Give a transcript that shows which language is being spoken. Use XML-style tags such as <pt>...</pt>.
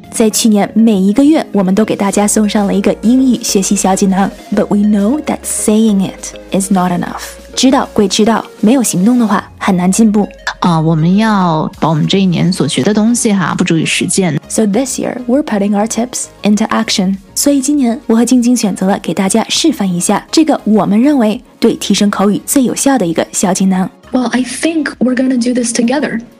<zh>在去年每一个月我们都给大家送上了一个英语学习小技能。</zh> <en>But we know that saying it is not enough.</en> <zh>知道归知道没有行动的话很难进步。我们要把我们这一年所学的东西哈付诸于实践。</zh> <en>So this year, we're putting our tips into action.</en> <zh>所以今年我和晶晶选择了给大家示范一下这个我们认为对提升口语最有效的一个小技能。</zh> <en>Well, I think we're gonna do this together.</en>